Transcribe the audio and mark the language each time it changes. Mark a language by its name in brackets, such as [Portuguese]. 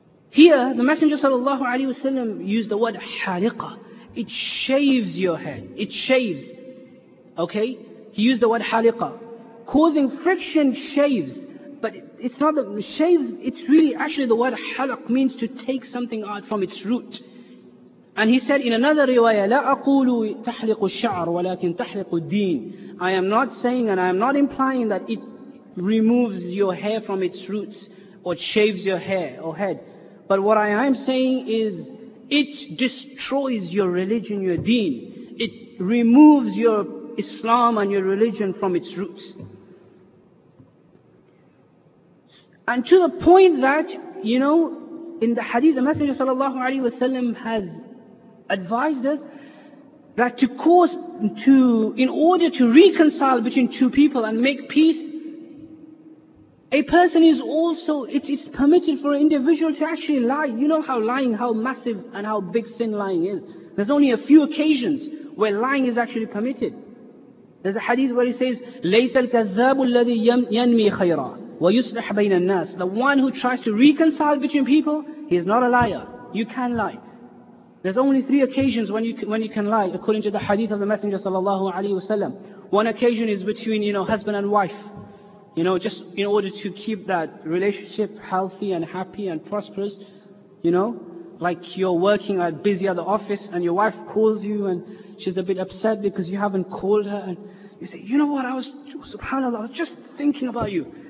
[English] Here, the Messenger sallallahu alayhi wa sallam used the word halqa. It shaves your head. It shaves. Okay? He used the word halqa. Causing friction shaves. But it's not the shaves, it's really actually the word halq means to take something out from its root. And he said in another riwayah, [Arabic] لَا أَقُولُ تَحْلِقُ الشَّعْرُ وَلَكِنْ تَحْلِقُ الدِّينِ. [English] I am not saying and I am not implying that it removes your hair from its roots or shaves your hair or head. But what I am saying is it destroys your religion, your deen. It removes your Islam and your religion from its roots. And to the point that, you know, in the hadith, the Messenger sallallahu alayhi wa sallam has advised us that in order to reconcile between two people and make peace, a person is also, it's permitted for an individual to actually lie. You know how lying, how massive and how big sin lying is. There's only a few occasions where lying is actually permitted. There's a hadith where he says, [Arabic] لَيْسَ الْكَذَّابُ الَّذِي يَنْمِي خَيْرًا وَيُصْلِحْ بَيْنَ النَّاسِ. [English] The one who tries to reconcile between people, he is not a liar. You can lie. There's only three occasions when you can lie, according to the hadith of the Messenger sallallahu alaihi wasallam. One occasion is between, you know, husband and wife, you know, just in order to keep that relationship healthy and happy and prosperous, you know, like you're working at busy at the office and your wife calls you and she's a bit upset because you haven't called her, and you say, you know what, I was, subhanAllah, I was just thinking about you.